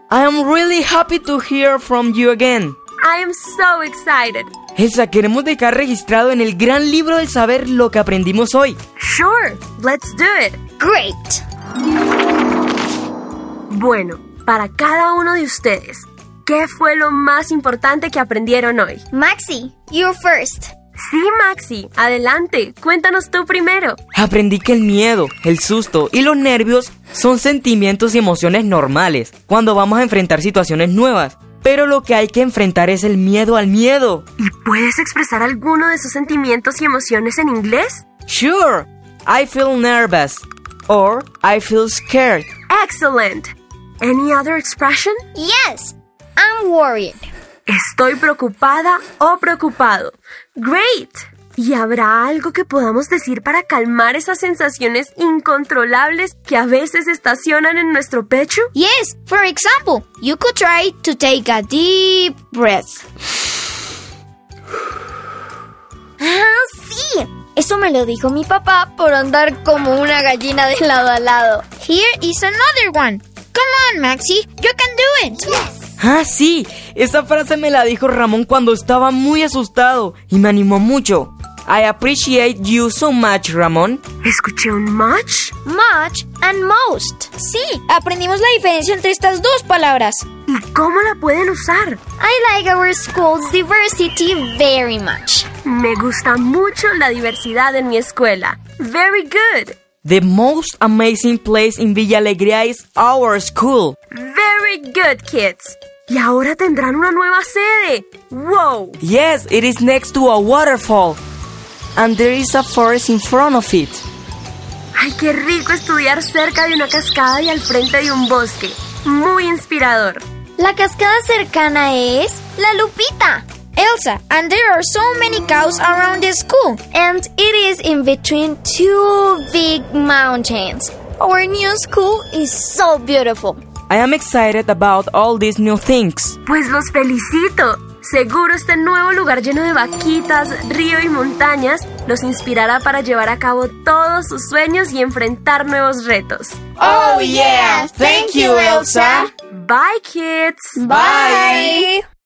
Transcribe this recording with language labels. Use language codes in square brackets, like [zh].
[en] I am really happy to hear from you again. I am so excited. [es] Elsa, queremos dejar registrado en el gran libro del saber lo que aprendimos hoy. [en] Sure, let's do it. Great. [es] Bueno, para cada uno de ustedes, ¿qué fue lo más importante que aprendieron hoy? [en] Maxi, you're first. [es] Sí, Maxi. Adelante. Cuéntanos tú primero. Aprendí que el miedo, el susto y los nervios son sentimientos y emociones normales cuando vamos a enfrentar situaciones nuevas. Pero lo que hay que enfrentar es el miedo al miedo. ¿Y puedes expresar alguno de esos sentimientos y emociones en inglés? [en] Sure. I feel nervous. Or I feel scared. Excellent. Any other expression? Yes. I'm worried. [es] Estoy preocupada o preocupado. [en] ¡Great! [es] ¿Y habrá algo que podamos decir para calmar esas sensaciones incontrolables que a veces estacionan en nuestro pecho? [en] Yes, for example, you could try to take a deep breath. [es] ¡Ah, sí! Eso me lo dijo mi papá por andar como una gallina de lado a lado. [en] Here is another one. Come on, Maxi, you can do it. Yes. [es] ¡Ah, sí! Esa frase me la dijo Ramón cuando estaba muy asustado y me animó mucho. [en] I appreciate you so much, Ramón. [es] ¿Escuché un much? [en] Much and most. [es] Sí, aprendimos la diferencia entre estas dos palabras. ¿Y cómo la pueden usar? [en] I like our school's diversity very much. [es] Me gusta mucho la diversidad en mi escuela. [en] Very good. The most amazing place in Villa Alegría is our school. Very good, kids. [es] Y ahora tendrán una nueva sede. [en] Wow. Yes, it is next to a waterfall. And there is a forest in front of it. [es] Ay, qué rico estudiar cerca de una cascada y al frente de un bosque. Muy inspirador. La cascada cercana es La Lupita. [en] Elsa, and there are so many cows around the school. And it is in between two big mountains. Our new school is so beautiful. I am excited about all these new things. [es] Pues los felicito. Seguro este nuevo lugar lleno de vaquitas, río y montañas los inspirará para llevar a cabo todos sus sueños y enfrentar nuevos retos. [en] Oh yeah, thank you, Elsa. Bye, kids. Bye.